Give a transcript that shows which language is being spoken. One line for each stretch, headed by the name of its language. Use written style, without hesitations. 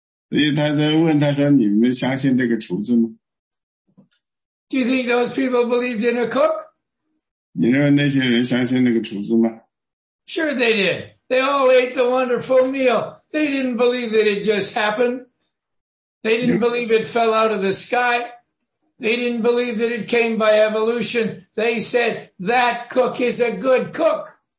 Chinese: 所以他在问他说，你们相信这个厨子吗？
English: Do you think those people believed in a cook?
Chinese: 你认为那些人相信那个厨子吗？
English: Sure they did. They all ate the wonderful meal. They didn't believe that it just happened. They didn't believe it fell out of the sky. They didn't believe that it came by evolution. They said, that cook is a good cook.